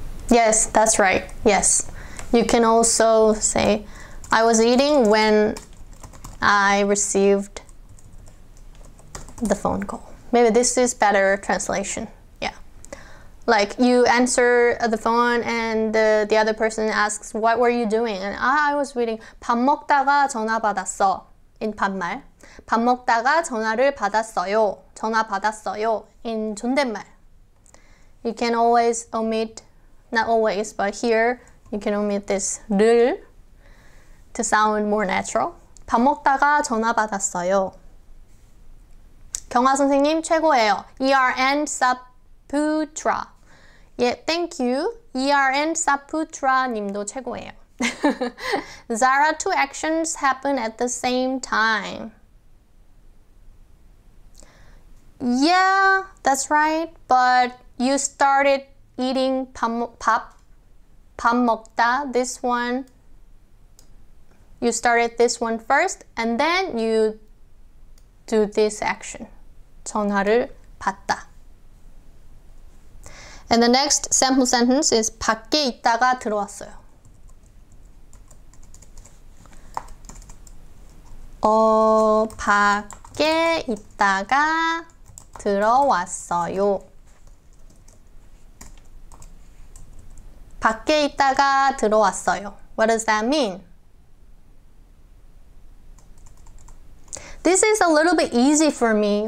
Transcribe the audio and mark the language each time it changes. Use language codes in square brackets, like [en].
[en] Yes, that's right. Yes. You can also say, I was eating when I received the phone call. Maybe this is better translation. Yeah. Like you answer the phone and the other person asks, what were you doing? And I was reading, [ko] 밥 먹다가 전화 받았어. [en] In 반말. [ko] 밥 먹다가 전화를 받았어요. 전화 받았어요. [en] In 존댓말. You can always omit, not always, but here you can omit this 를 to sound more natural. [ko] 밥 먹다가 전화 받았어요. 경화 선생님 최고예요. ERN Saputra. [en] Yeah, thank you. ERN Saputra [ko] 님도 최고예요. [en] Zara, two actions happen at the same time. Yeah, that's right. But you started eating 밥 먹다, this one. You started this one first, and then you do this action. [ko] 전화를 받다. [en] And the next sample sentence is [ko] 밖에 있다가 들어왔어요. 밖에 있다가 들어왔어요. 밖에 있다가 들어왔어요. [en] What does that mean? This is a little bit easy for me.